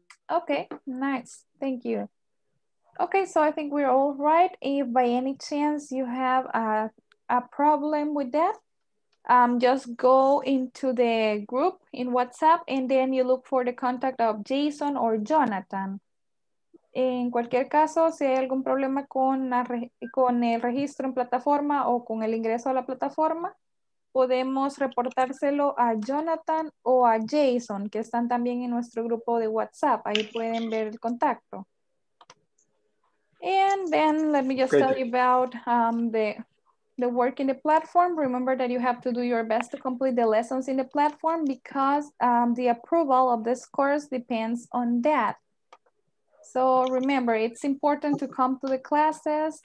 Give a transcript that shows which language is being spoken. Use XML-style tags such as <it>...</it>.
<en>Okay, nice. Thank you. Okay, so I think we're all right. If by any chance you have a problem with that, just go into the group in WhatsApp and then you look for the contact of Jason or Jonathan.</en> <es>En cualquier caso, si hay algún problema con el registro en plataforma o con el ingreso a la plataforma, podemos reportárselo a Jonathan o a Jason, que están también en nuestro grupo de WhatsApp. Ahí pueden ver el contacto.</es> <en>And then let me just tell you about the work in the platform. Remember that you have to do your best to complete the lessons in the platform because the approval of this course depends on that. So remember, it's important to come to the classes.</en>